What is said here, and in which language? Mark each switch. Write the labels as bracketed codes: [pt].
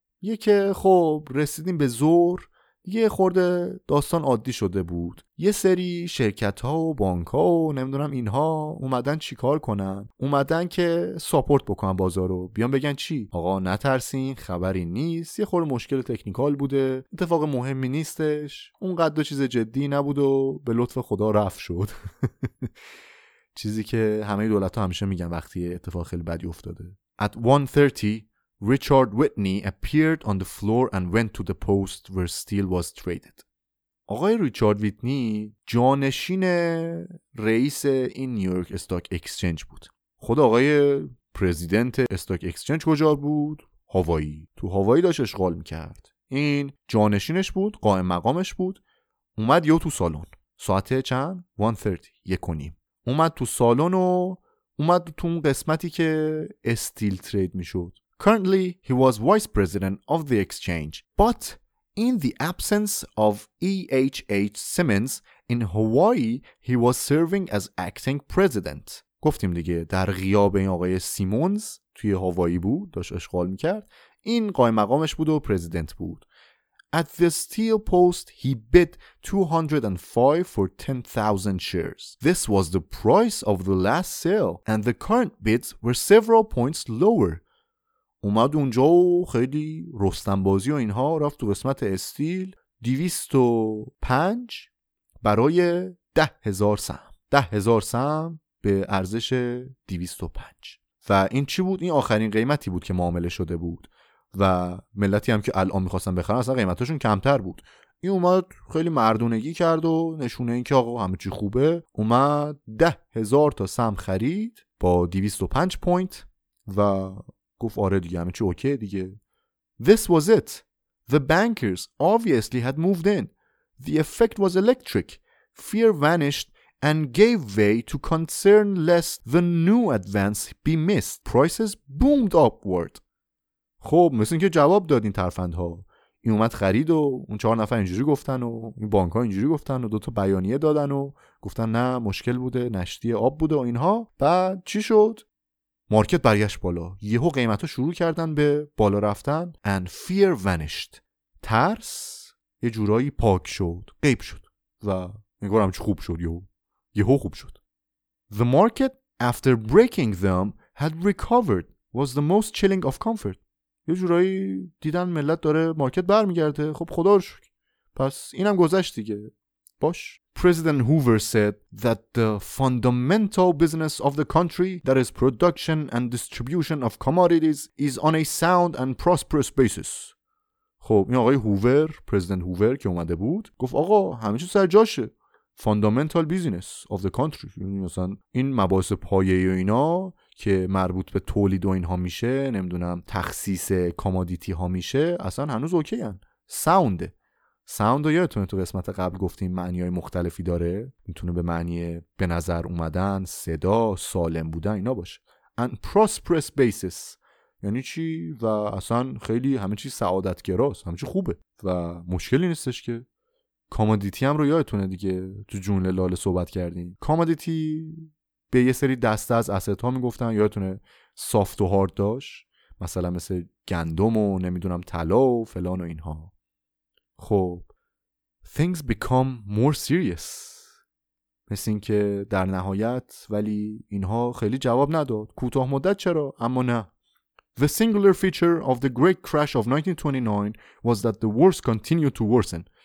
[fa] یه که خب رسیدیم به زور، یه خورده داستان عادی شده بود، یه سری شرکت ها و بانک ها و نمیدونم اینها اومدن چی کار کنن، اومدن که ساپورت بکنن بازارو، بیان بگن چی آقا نترسین، خبری نیست، یه خورده مشکل تکنیکال بوده، اتفاق مهمی نیستش، اونقدر چیز جدی نبود و به لطف خدا رفع شد. چیزی که همه دولت ها همیشه میگن وقتی اتفاق خیلی بدی افتاده. [en] At 1:30 Richard Whitney appeared on the floor and went to the post where steel was traded. [fa] آقای ریچارد ویتنی جانشین رئیس این نیویورک استاک اکسچنج بود. خود آقای پرزیدنت استاک اکسچنج کجا بود؟ هاوایی. تو هاوایی داشت اشغال میکرد. این جانشینش بود، قائم مقامش بود. اومد یه تو سالن. ساعت چند؟ 1:30 یک و نیم. اومد تو سالن و اومد تو اون قسمتی که استیل ترید میشد. [en] Currently he was vice president of the exchange, but in the absence of E.H.H. Simmons in Hawaii, he was serving as acting president. [fa] گفتیم دیگه در غیاب این آقای سیمونز توی هاوایی بود، داشت اشغال میکرد، این قائم مقامش بود و پرزیدنت بود. [en] At the steel post, he bid 205 for 10,000 shares. This was the price of the last sale, and the current bids were several points lower. [fa] اومد اونجا و خیلی رستنبازی و اینها، رفت تو قسمت استیل، 205 برای 10,000 سهم. 10,000 سهم به ارزش 205. و این چی بود؟ این آخرین قیمتی بود که معامله شده بود و ملتی هم که الان میخواستن بخرن اصلا قیمتشون کمتر بود. این اومد خیلی مردونگی کرد و نشونه این که آقا همه چی خوبه، اومد 10,000 تا سهم خرید با 205 پوینت و گفت آره دیگه همه چی اوکی دیگه. [en] This was it. The bankers obviously had moved in. The effect was electric. Fear vanished and gave way to concern lest the new advance be missed. Prices boomed upward. [fa] خب مثل اینکه جواب داد این ترفندها. این اومد خرید و اون چهار نفر اینجوری گفتن و این بانک ها اینجوری گفتن و دوتا بیانیه دادن و گفتن نه مشکل بوده، نشتی آب بوده و اینها. بعد چی شد؟ مارکت برگشت بالا، یهو قیمت ها شروع کردن به بالا رفتن. [en] And fear vanished. [fa] ترس یه جورایی پاک شد، غیب شد و میگورم چه خوب شد، یهو خوب شد. [en] The market after breaking them had recovered was the most chilling of comfort. [fa] یه جورایی دیدن ملت داره مارکت برمیگرده، خب خدا رو شکر پس اینم گذشت دیگه. باش. [en] President Hoover said that the fundamental business of the country, that is production and distribution of commodities, is on a sound and prosperous basis. [fa] خب این آقای هوور، پرزیدنت هوور که اومده بود، گفت آقا همه چی سر جاشه. [en] Fundamental business of the country. [fa] مثلا این مباحث پایه‌ای و اینا که مربوط به تولید و اینها میشه، نمیدونم تخصیص کامودیتی ها میشه، اصلا هنوز اوکی هن. [en] Sounde. [fa] ساوند رو یادتونه تو قسمت قبل گفتیم معنی های مختلفی داره، میتونه به معنی به نظر اومدن، صدا، سالم بودن اینا باشه. [en] And prosperous basis [fa] یعنی چی؟ و اصلا خیلی همه چی سعادتگراست، همه چی خوبه و مشکلی نیستش که. کامودیتی هم رو یادتونه دیگه، تو جونل لاله صحبت کردیم. کامودیتی به یه سری دسته از اسیت ها میگفتن، یادتونه سافت و هارد داشت، مثلا مثل گندم و نمیدونم طلا و فلان و اینها. [en] خب things become more serious. [fa] مثل این که در نهایت ولی اینها خیلی جواب نداد. کوتاه مدت چرا؟ اما نه. [en] The singular feature of the great crash of 1929 was that the worst continued to worsen.